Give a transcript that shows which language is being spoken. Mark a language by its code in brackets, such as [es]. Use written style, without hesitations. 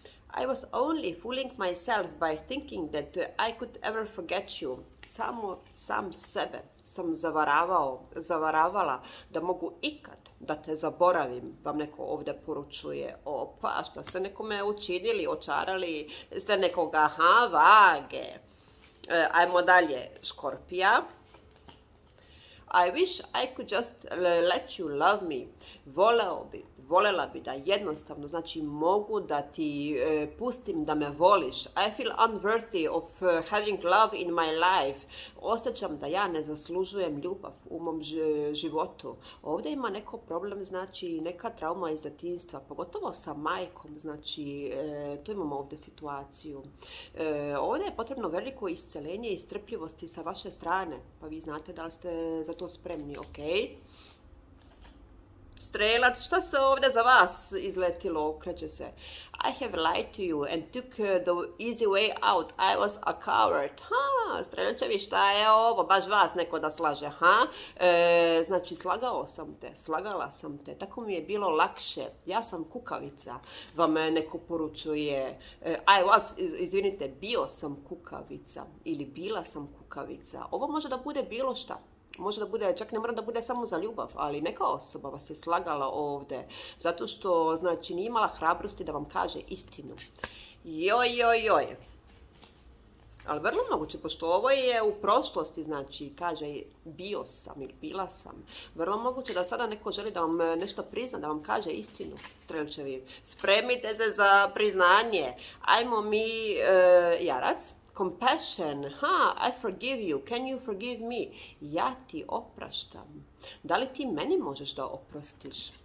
[en] I was only fooling myself by thinking that I could ever forget you. [sr] Samo sam sebe sam zavaravao, zavaravala da mogu ikad da te zaboravim, vam neko ovde poručuje. Opa, šta ste nekome učinili, očarali ste nekoga, ha, vage. Ajmo dalje, škorpija. [en] I wish I could just let you love me. [sr] Voleo bi, volela bi da jednostavno, znači, mogu da ti pustim da me voliš. [en] I feel unworthy of having love in my life. [sr] Osećam da ja ne zaslužujem ljubav u mom životu. Ovde ima neko problem, znači, neka trauma iz detinjstva, pogotovo sa majkom, znači, tu imamo ovde situaciju. Ovde je potrebno veliko isceljenje i strpljivosti sa vaše strane, pa vi znate da li ste za to spremni, okej. Strelac, šta se ovde za vas izletilo, kreće se. [en] I have lied to you and took the easy way out. I was a coward. [sr] Ha, Strelčevi, šta je ovo? Baš vas neko da slaže, ha? Znači, slagao sam te, slagala sam te. Tako mi je bilo lakše. Ja sam kukavica, vam neko poručuje. [en] I was, [sr] izvinite, bio sam kukavica ili bila sam kukavica. Ovo može da bude bilo šta. Može da bude, čak ne mora da bude samo za ljubav, ali neka osoba vas je slagala ovde, zato što, znači, nije imala hrabrosti da vam kaže istinu. Joj, joj, joj. Ali vrlo moguće, pošto ovo je u prošlosti, znači, kaže, bio sam ili bila sam. Vrlo moguće da sada neko želi da vam nešto prizna, da vam kaže istinu, Strelčevi. Spremite se za priznanje. Ajmo mi, jarac, [en] Compassion, ha, I forgive you, can you forgive me? [sr] Ja ti opraštam. Da li ti meni možeš da oprostiš?